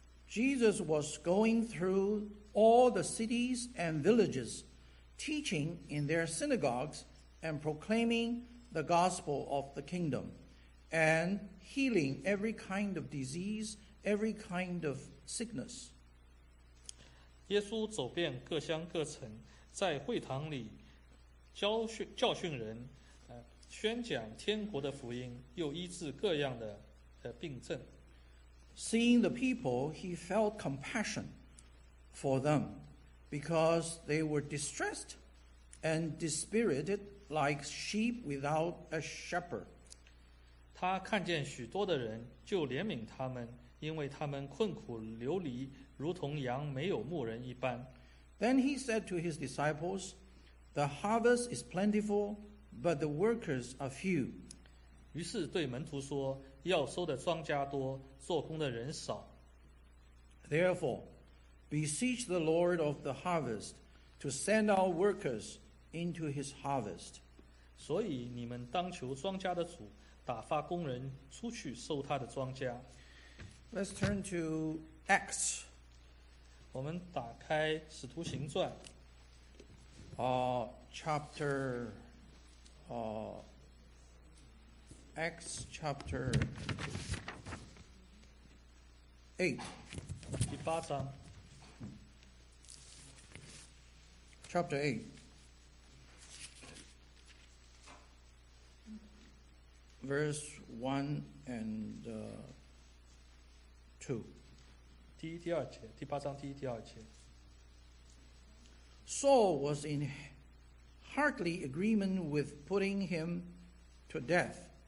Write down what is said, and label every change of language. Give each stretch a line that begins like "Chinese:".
English: Jesus was going through all the cities and villages, teaching in their synagogues and proclaiming the gospel of the kingdom, and healing every kind of disease, every kind of sickness.
Chinese: 耶稣走遍各乡各城，在会堂里教训人，宣讲天国的福音，又医治各样的病症。
English: Seeing the people, he felt compassion for them because they were distressed and dispirited like sheep without a shepherd.
Chinese: 他看见许多的人，就怜悯他们，因为他们困苦流离，如同羊没有牧人一般。
English: Then he said to his disciples, "The harvest is plentiful, but the workers are few."
Chinese: 于是对门徒说，要收的庄稼多，做工的人少。
English: Therefore, beseech the Lord of the harvest to send out workers into his harvest.
Chinese: 所以你们当求庄稼的主，打发工人出去收他的庄稼。
English: Let's turn to Acts.
Chinese: 我们打开《使徒行传》
English: chapter, Acts chapter 8.
Chinese: 第八章。
English: Chapter 8. Verse 1 and 2.
Chinese: 第一第二节，第八章第一第二节。
English: Saul was in hearty agreement with putting him to death.